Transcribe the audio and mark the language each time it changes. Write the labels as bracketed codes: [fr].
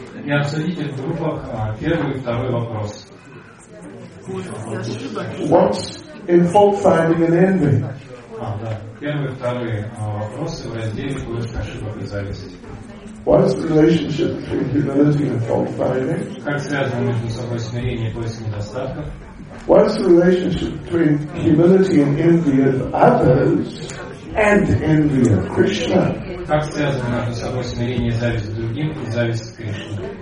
[ru] И обсудите в группах первый и второй вопрос. [en] What's in fault finding and envy? [ru] Первый и второй вопросы в разделе поиск ошибок и зависти. [en] What is the relationship between humility and fault finding? [ru] Как связано между собой смирение и поиск недостатков? [en] What is the relationship between humility and envy of others and envy of Krishna? [ru] Как связано между собой смирение и зависть другим и зависть к Кришне?